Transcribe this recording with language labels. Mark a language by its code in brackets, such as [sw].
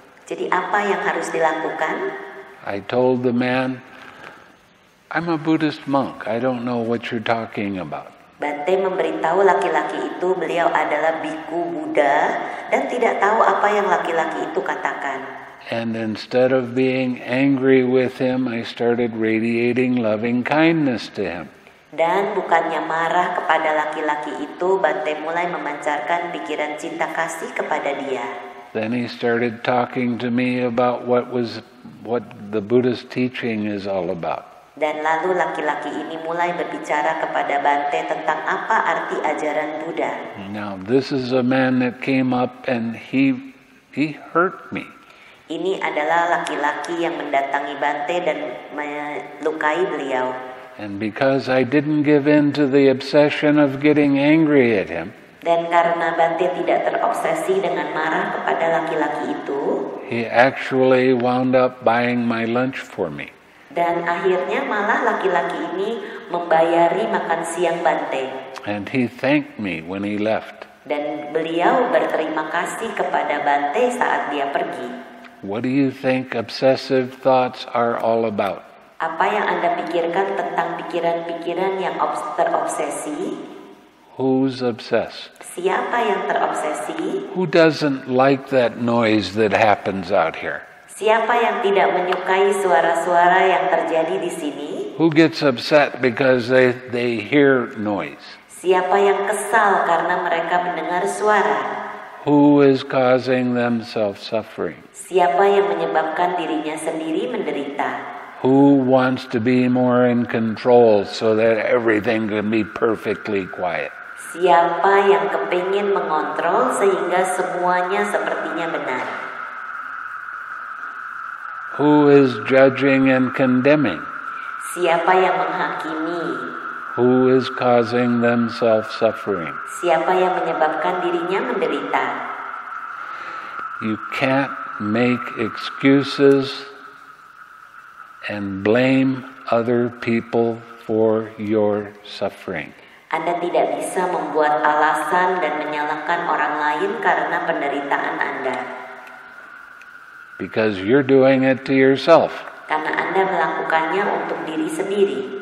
[id] Jadi apa yang harus dilakukan? [en] I told the man, I'm a Buddhist monk. I don't know what you're talking about. [id] Bhante memberitahu laki-laki itu beliau adalah bhikkhu Buddha dan tidak tahu apa yang laki-laki itu katakan. [en] And instead of being angry with him, I started radiating loving kindness to him. [id] Dan bukannya marah kepada laki-laki itu, Bhante mulai memancarkan pikiran cinta kasih kepada dia. [en] Then he started talking to me about what the Buddhist teaching is all about. [id] Dan lalu laki-laki ini mulai berbicara kepada Bhante tentang apa arti ajaran Buddha. [en] Now this is a man that came up and he hurt me. [id] Ini adalah laki-laki yang mendatangi Bhante dan melukai beliau. [en] And because I didn't give in to the obsession of getting angry at him. [id] Dan karena Bhante tidak terobsesi dengan marah kepada laki-laki itu. [en] He actually wound up buying my lunch for me. [id] Dan akhirnya malah laki-laki ini membayari makan siang Bhante. [en] And he thanked me when he left. [id] Dan beliau berterima kasih kepada Bhante saat dia pergi. [en] What do you think obsessive thoughts are all about? [id] Apa yang Anda pikirkan tentang pikiran-pikiran yang terobsesi? [en] Who's obsessed? [id] Siapa yang terobsesi? [en] Who doesn't like that noise that happens out here? [id] Siapa yang tidak menyukai suara-suara yang terjadi di sini? [en] Who gets upset because they hear noise? [id] Siapa yang kesal karena mereka mendengar suara? [en] Who is causing themselves suffering? [id] Siapa yang menyebabkan dirinya sendiri menderita? [en] Who wants to be more in control so that everything can be perfectly quiet? [id] Siapa yang kepingin mengontrol sehingga semuanya sepertinya benar? [en] Who is judging and condemning? [id] Siapa yang menghakimi? [en] Who is causing themselves suffering? [id] Siapa yang menyebabkan dirinya menderita? [en] You can't make excuses and blame other people for your suffering. [id] Anda tidak bisa membuat alasan dan menyalahkan orang lain karena penderitaan Anda. [en] Because you're doing it to yourself. [id] Karena Anda melakukannya untuk diri sendiri.